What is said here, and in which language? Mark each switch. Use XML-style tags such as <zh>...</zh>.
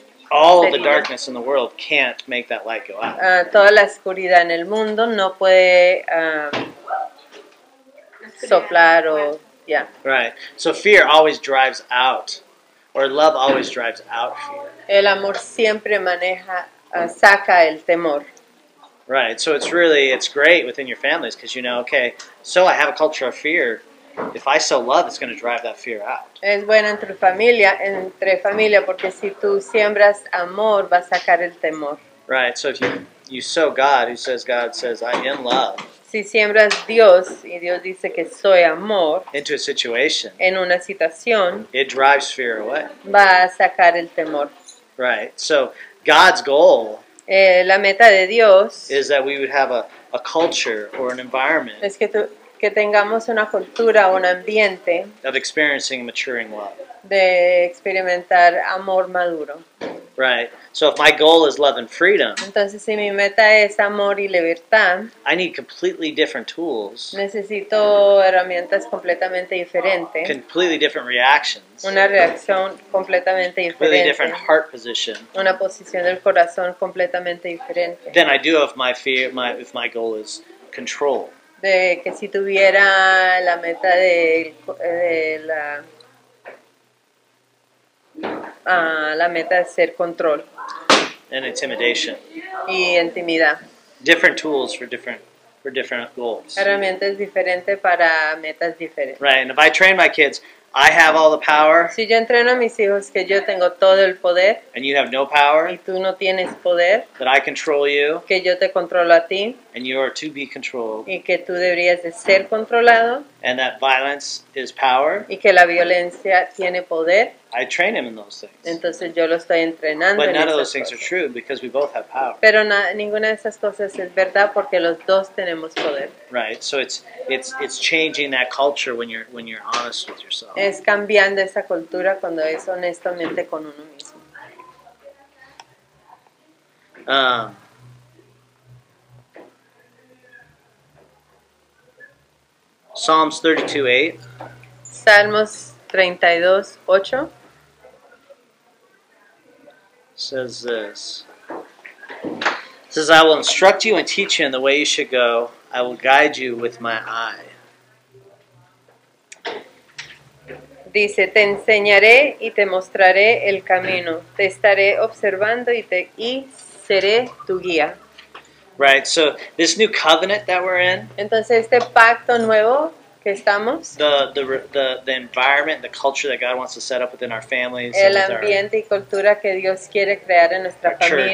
<en>All of the darkness in the world can't make that light go out.</en> <es>Toda la oscuridad en el mundo no puede soplar o</es> <en>yeah. Right. So fear always drives out, or love always drives out fear.</en> <es>El amor siempre maneja, saca el temor.</es> <en>Right. So it's really it's great within your families because you know, okay, so I have a culture of fear. If I sow love, it's going to drive that fear out.</en> <es>Es bueno entre familia, porque si tú siembras amor, va a sacar el temor.</es> <en>Right, so if you sow God, who says God says, I am love.</en> <es>Si siembras Dios, y Dios dice que soy amor.</es> <en>Into a situation.</en> <es>En una situación.</es> <en>It drives fear away.</en> <es>Va a sacar el temor.</es> <en>Right, so God's goal.</en> <es>La meta de Dios.</es> <en>Is that we would have a culture or an environment.</en> <es>Es que tú... que tengamos una cultura o un ambiente</es> <en>of experiencing maturing love.</en> <es>De experimentar amor maduro.</es> <en>Right. So if my goal is love and freedom,</en> <es>entonces si mi meta es amor y libertad,</es> <en>I need completely different tools.</en> <es>Necesito herramientas completamente diferentes.</es> <en>Completely different reactions.</en> <es>Una reacción completamente diferente.</es> <en>Completely different heart position.</en> <es>Una posición del corazón completamente diferente.</es> <en>Then I do if my fear, if my goal is control.</en> <es>De que si tuviera la meta de la la meta de ser control</es> <en>and intimidation</en> <es>y intimidad</es> <en>different tools for different goals</en> <es>herramientas diferentes para metas diferentes</es> <en>right and if I train my kids I have all the power</en> <es>si yo entreno a mis hijos que yo tengo todo el poder</es> <en>and you have no power</en> <es>y tú no tienes poder</es> <en>that I control you</en> <es>que yo te controlo a ti</es> <en>and you are to be controlled</en> <es>y que tú deberías de ser controlado</es> <en>and that violence is power</en> <es>y que la violencia tiene poder</es> <en>I train him in those things</en> <es>entonces yo lo estoy entrenando</es> <en>but none</en> <es>en esas</es> <en>of those things</en> <es>cosas.</es> <en>Are true because we both have power</en> <es>pero ninguna de esas cosas es verdad porque los dos tenemos poder</es> <en>right so it's changing that culture when you're honest with yourself</en> <es>es cambiando esa cultura cuando es honestamente con uno mismo</es> <en>Psalms 32:8.</en> <es>Salmos 32:8.</es> <en>Says this. It says, I will instruct you and teach you in the way you should go. I will guide you with my eye.</en> <es>Dice, te enseñaré y te mostraré el camino. Te estaré observando y seré tu guía.</es> <en>Right, so this new covenant that we're in.</en> <es>Entonces este pacto nuevo. Estamos,</es> <en>the environment, the culture that God wants to set up within our families,</en> <es>el ambiente</es> <en>our,</en> <es>y cultura que Dios quiere crear en nuestra familia,</es>